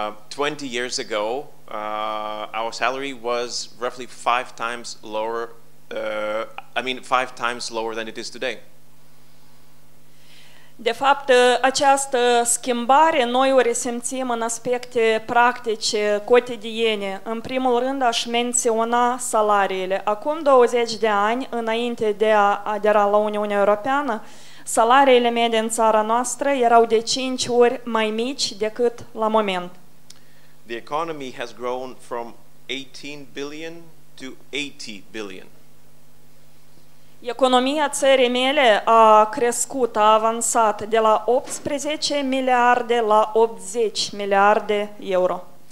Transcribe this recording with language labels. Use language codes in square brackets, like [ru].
[en] 20 years ago, our salary was roughly five times lower than it is today. [ro] De fapt, această schimbare noi o resimțim în aspecte practice, cotidiene. În primul rând aș menționa salariile. Acum 20 de ani, înainte de a adera la Uniunea Europeană, salariile medii în țara noastră erau de 5 ori mai mici decât la moment. [en] The economy has grown from 18 billion to 80 billion. [ro] Economia țării mele a crescut, a avansat de la 18 miliarde la 80 miliarde euro.